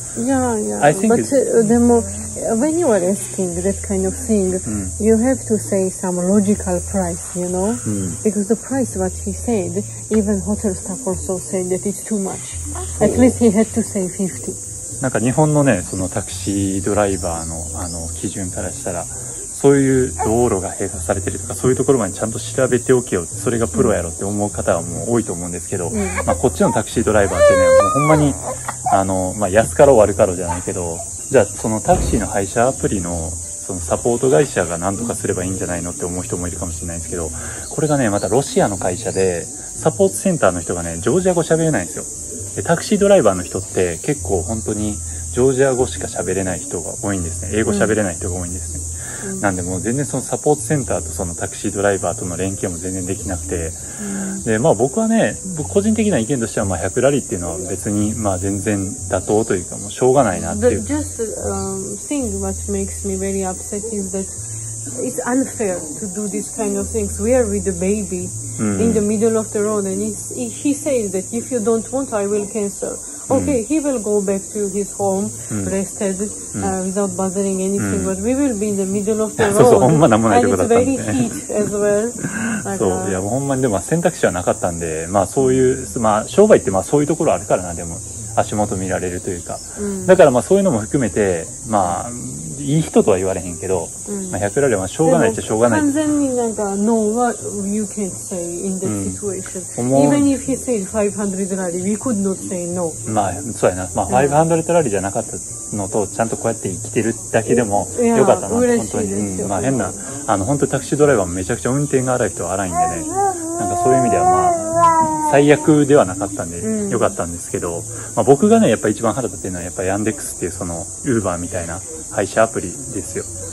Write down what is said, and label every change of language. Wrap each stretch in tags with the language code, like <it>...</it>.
<en>yeah I think but、でも when you are asking this kind of thing、you have to say some logical price you know、because the price what he said even hotel staff also said that it's too much、at least he had to say 50.</en> <ja>なんか日本のね、そのタクシードライバーの基準からしたら、そういう道路が閉鎖されてるとか、そういうところまでちゃんと調べておけよ、それがプロやろって思う方はもう多いと思うんですけど、まあこっちのタクシードライバーってね、もうほんまにまあ安かろう悪かろうじゃないけど、じゃあそのタクシーの配車アプリのそのサポート会社が何とかすればいいんじゃないのって思う人もいるかもしれないですけど、これがね、またロシアの会社で、サポートセンターの人がね、ジョージア語喋れないんですよ。タクシードライバーの人って結構本当にジョージア語しか喋れない人が多いんですね。英語喋れない人が多いんですね。なんでもう全然そのサポートセンターとそのタクシードライバーとの連携も全然できなくて、でまあ僕はね、僕個人的な意見としては、まあ100ラリっていうのは別にまあ全然妥当というか、もうしょうがないなっていう。</ja> <en>But just thing what makes me very upset is that it's unfair to do this kind of things. We are with the baby in the middle of the road and he says that if you don't want I will cancel. Okay, he will go back to his home, rested, without bothering anything, but we will be in the middle of the road.</en> <ja>そうそう、ほんま何もないとこだったんで。</ja> <en>And it's very heat as well.</en> <ja>そう、いやもうほんまにでも選択肢はなかったんで、まあそういう、まあ商売ってまあそういうところあるからな、でも足元見られるというか。だからまあそういうのも含めて、まあ、いい人とは言われへんけど、まあ、100ラリはしょうがないっちゃしょうがない。完全になんか、</ja> <en>No, what you can't say in that situation.、Even if he said 500 ラリ, we could not say no.</en> <ja>まあ、そうやな。まあ、500ラリじゃなかったのと、ちゃんとこうやって生きてるだけでもよかったな、本当に。まあ、変な、本当にタクシードライバーもめちゃくちゃ運転が荒い人は荒いんでね。なんかそういう意味では、まあ、最悪ではなかったんで、よかったんですけど、まあ、僕がね、やっぱ一番腹立ってるのは、やっぱヤンデックスっていう、その、Uber みたいな、配車アプリですよ。</ja>